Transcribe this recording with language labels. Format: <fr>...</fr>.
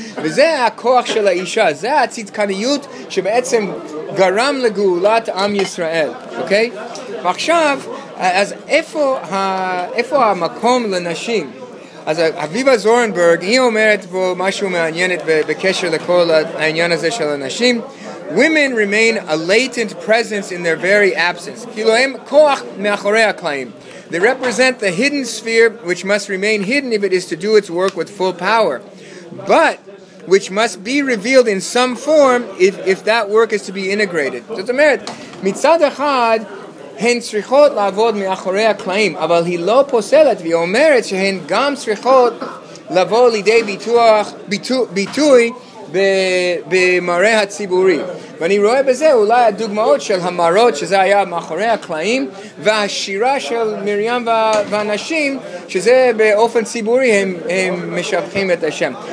<he>וזה הכוח של האישה, זה הצדקניות שבעצם גרם לגאולת עם ישראל, אוקיי? ועכשיו, אז איפה המקום לנשים? אז אביבה זורנברג, היא אומרת פה משהו מעניינת בקשר לכל העניין הזה של הנשים.</he> <en>Women remain a latent presence in their very absence.</en> <he>כאילו הם כוח מאחורי הקלעים.</he> <en>They represent the hidden sphere which must remain hidden if it is to do its work with full power, but which must be revealed in some form if that work is to be integrated.</en> <he>זאת אומרת, מצד אחד, הן צריכות לעבוד מאחורי הקלעים, אבל היא לא פוסלת והיא אומרת שהן גם צריכות לבוא לידי ביטוי במראה הציבורי. ואני רואה בזה אולי הדוגמאות של המראות שזה היה מאחורי הקלעים, והשירה של מרים והנשים שזה באופן ציבורי הם משבחים את השם.</he>